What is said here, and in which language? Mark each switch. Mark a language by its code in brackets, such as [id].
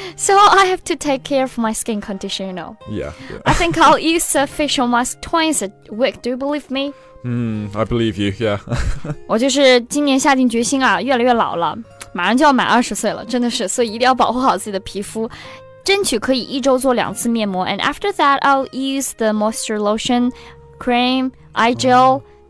[en] So I have to take care of my skin condition, you know. Yeah. I think I'll use a facial mask twice a week. Do you believe me? I believe you. Yeah. [zh] 我就是今年下定决心啊，越来越老了，马上就要满20岁了，真的是，所以一定要保护好自己的皮肤，争取可以一周做两次面膜。 [en] And after that, I'll use the moisture lotion, cream, eye gel.